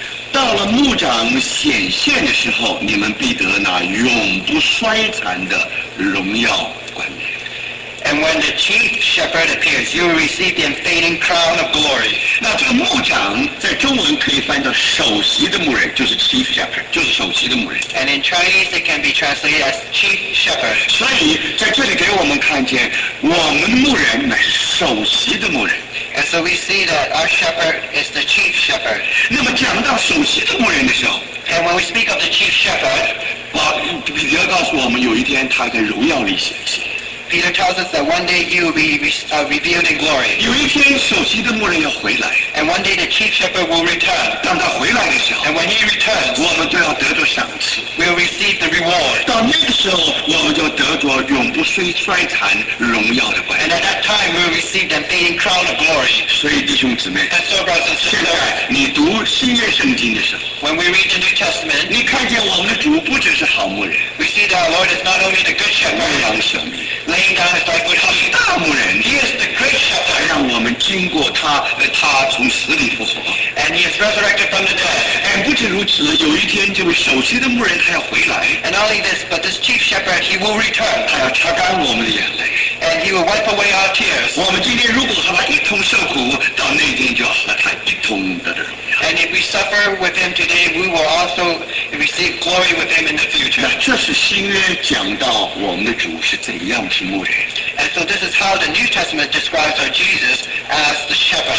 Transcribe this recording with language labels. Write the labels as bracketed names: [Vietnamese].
[Chinese] 到了牧长显现的时候 你们必得那永不衰残的荣耀冠冕 [English] And when the chief shepherd appears, you will receive the unfading crown of glory. [Chinese] 那这个牧长在中文可以翻译到首席的牧人, 就是chief shepherd, 就是首席的牧人。 [English] And in Chinese, it can be translated as chief shepherd. [Chinese] 所以在这里给我们看见, 我们牧人乃是首席的牧人。 [English] And so we see that our shepherd is the chief shepherd. [Chinese] 那么讲到首席的牧人的时候, [English] And when we speak of the chief shepherd, [Chinese] 彼得告诉我们有一天他在荣耀里显现。 [English] Peter tells us that one day he will be revealed in glory. [Chinese] 有一天首席的牧人要回来, [English] and one day the chief shepherd will return. [Chinese] 当他回来的时候, [English] and when he returns, [Chinese] 我们都要得着赏赐, [English] we'll receive the reward. [Chinese] 到那个时候, 我们就得着永不衰衰残荣耀的冠冕, [English] and at that time, we'll receive the unfading crown of glory. [Chinese] 所以弟兄姊妹, [English] and so brothers and sisters, [Chinese] 现在你读新约圣经的时候, [English] when we read the New Testament, [Chinese] 你看见我们的主不只是好牧人, [English] we see that our Lord is not only the good shepherd, [Chinese] 羊舍命, [English] laying down his life, which is [Chinese] the 大牧人, [English] he is the great shepherd. [Chinese] 让我们经过他, 他从死里复活, [English] and he is resurrected from the dead. And [Chinese] 不止如此, 有一天这位首席的牧人, 他要回来, [English] and not only this, but this chief shepherd, he will return. [Chinese] 他要擦干我们的眼泪, [English] and he will wipe away our tears. [Chinese] 我们今天如果和他一同受苦, 到那天就要和他一同得荣耀。 [English] And if we suffer with him today, we will also receive glory with him in the future. [Chinese] 那这是新约讲到我们的主是怎样是牧人。 [English] And so this is how the New Testament describes our Jesus as the shepherd.